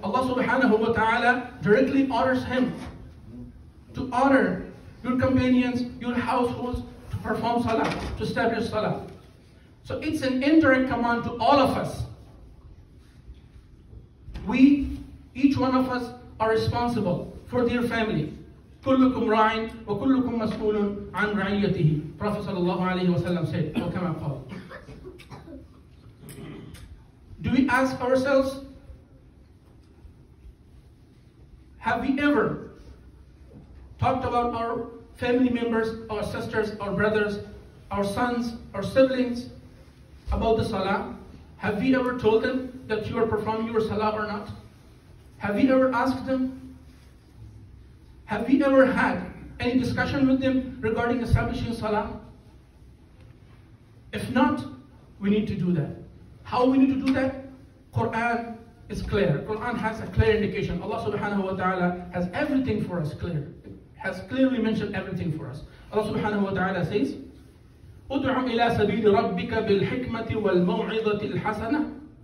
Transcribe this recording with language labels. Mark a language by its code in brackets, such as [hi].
[en] Allah subhanahu wa ta'ala directly honors him to honor your companions, your households, to perform salah, to establish salah. So it's an indirect command to all of us. We, each one of us, are responsible for their family. [ar] كلكم راع وكلكم مسؤول عن رعيته. [en] Prophet sallallahu alayhi wa sallam said, or [ar] كما قال. [en] Do we ask ourselves, have we ever talked about our family members, our sisters, our brothers, our sons, our siblings, about the salah? Have we ever told them that you are performing your salah or not? Have we ever asked them? Have we ever had any discussion with them regarding establishing salah? If not, we need to do that. How we need to do that? Quran is clear. Quran has a clear indication. Allah subhanahu wa ta'ala has everything for us clear. Has clearly mentioned everything for us. Allah subhanahu wa ta'ala says, [ar] ادعو إلى سبيل ربك بالحكمة والموعظة الحسنة.